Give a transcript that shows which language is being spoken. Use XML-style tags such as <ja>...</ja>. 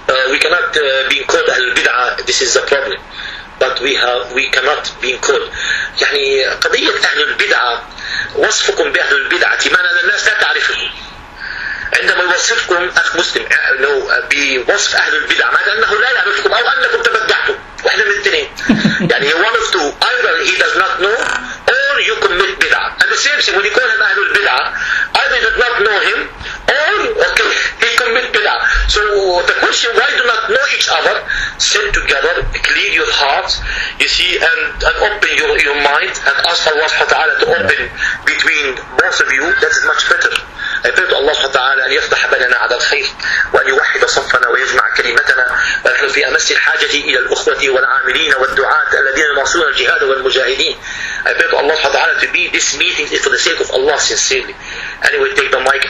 <en>We cannot be called البدعة. This is the problem. But we cannot be called.</en> <ar>يعني قضية أهل البدعة وصفكم بأهل البدعة معنى الناس لا تعرفهم. عندما يوصفكم أخ مسلم بوصف أهل البدع معنى أنه لا يعرفكم أو أنكم تبدعتم، واحدة من الاثنين.</ar> <en>يعني one of two, either he does not know or you commit بدعة. And the same thing when you call him أهل البدعة, either he does not know him or okay, he commit بدعة. So the question, why do not know each other? Sit together, clear your heart, you see, and open your mind and ask Allah subhanahu wa ta'ala to open between both of you. That is much better.</en> <ar>I pray to Allah subhanahu wa ta'ala أن يفتح بيننا على الخير وأن يوحد صفنا ويجمع كلمتنا ونحن في أمس الحاجة إلى الأخوة والعاملين والدعاة الذين ينصرون الجهاد والمجاهدين.</ar> <en>I pray to Allah subhanahu wa ta'ala to be this meeting is for the sake of Allah sincerely. Anyway, take the mic.</en>